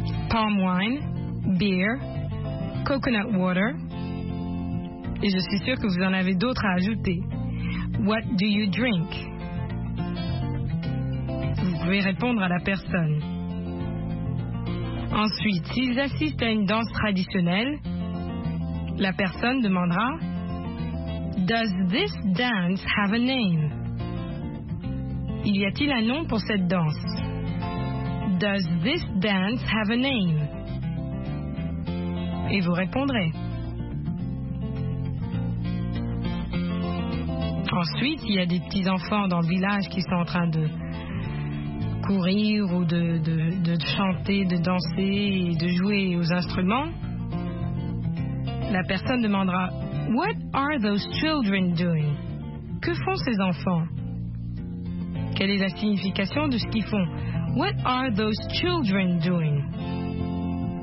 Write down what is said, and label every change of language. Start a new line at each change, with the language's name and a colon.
English: Palm wine, beer, coconut water.
French: Et je suis sûre que vous en avez d'autres à ajouter.
English: What do you drink?
French: Vous pouvez répondre à la personne. Ensuite, s'ils assistent à une danse traditionnelle, la personne demandera «
English: Does this dance have a name ?»
French: Il y a-t-il un nom pour cette danse ?«
English: Does this dance have a name ?»
French: Et vous répondrez. Ensuite, il y a des petits-enfants dans le village qui sont en train de courir ou de chanter, de danser et de jouer aux instruments, la personne demandera «
English: What are those children doing ?»
French: Que font ces enfants ? Quelle est la signification de ce qu'ils font ?
English: « What are those children doing ?»